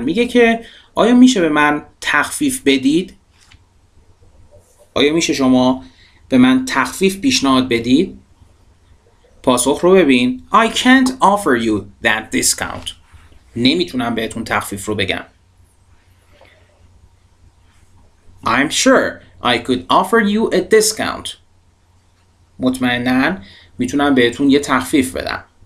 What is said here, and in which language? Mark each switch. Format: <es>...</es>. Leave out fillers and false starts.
<fa>میگه که آیا میشه به من تخفیف بدید؟ آیا میشه شما به من تخفیف پیشنهاد بدید؟ پاسخ رو ببین.</fa> <en>I can't offer you that discount.</en> <fa>نمیتونم بهتون تخفیف رو بگم.</fa> <en>I'm sure I could offer you a discount.</en> <fa>مطمئنن میتونم بهتون یه تخفیف بدم.</fa>